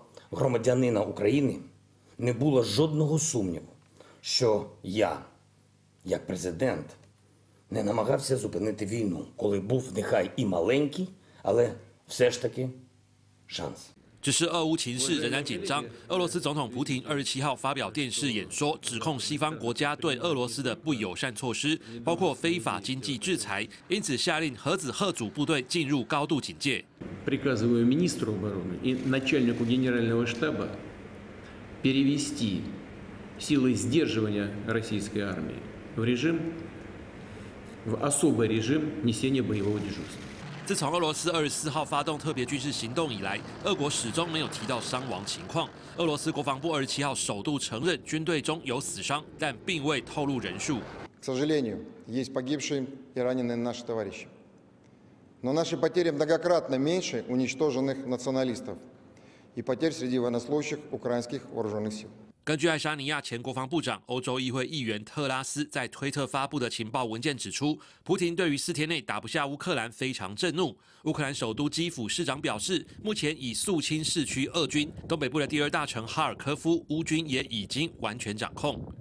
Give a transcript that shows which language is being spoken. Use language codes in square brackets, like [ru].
[uk] Громадянина України не було жодного сумніву, що я, як президент, не намагався зупинити війну, коли був нехай і маленький, але все ж таки шанс. [zh] 只是俄乌情势仍然紧张，俄罗斯总统普京27号发表电视演说，指控西方国家对俄罗斯的不友善措施，包括非法经济制裁，因此下令核子赫组部队进入高度警戒。 [ru] Приказываю министру обороны и начальнику генерального штаба перевести силы сдерживания российской армии в особый режим несения боевого дежурства。 [zh] 自从俄罗斯24号发动特别军事行动以来，俄国始终没有提到伤亡情况。俄罗斯国防部27号首度承认军队中有死伤，但并未透露人数。 [ru] К сожалению, есть погибшие и раненые наши товарищи, но наши потери многократно меньше уничтоженных националистов и потерь среди военнослужащих украинских вооруженных сил。 [zh] 根据爱沙尼亚前国防部长、欧洲议会议员特拉斯在推特发布的情报文件指出，普京对于4天内打不下乌克兰非常震怒。乌克兰首都基辅市长表示，目前已肃清市区俄军，东北部的第二大城哈尔科夫乌军也已经完全掌控。